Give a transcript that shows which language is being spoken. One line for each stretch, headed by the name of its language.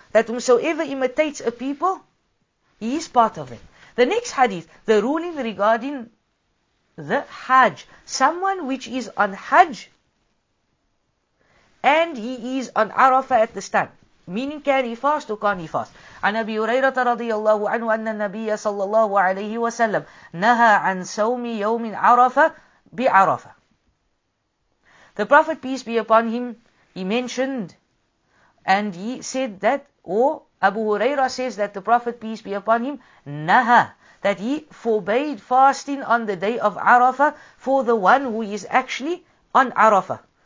English: That whosoever imitates a people, he is part of it. The next hadith, the ruling regarding the Hajj. Someone which is on Hajj and he is on Arafah at the stand. Meaning, can he fast or can't he fast?
Arabic: عن أبي هريرة رضي الله عنه أن النبي صلى الله عليه وسلم نهى عن صوم يوم عرفة بعرفة.
English: The Prophet, peace be upon him, he mentioned and he said that, or Abu Huraira says that the Prophet, peace be upon him, نهى, that he forbade fasting on the day of عرفة for the one who is actually on عرفة.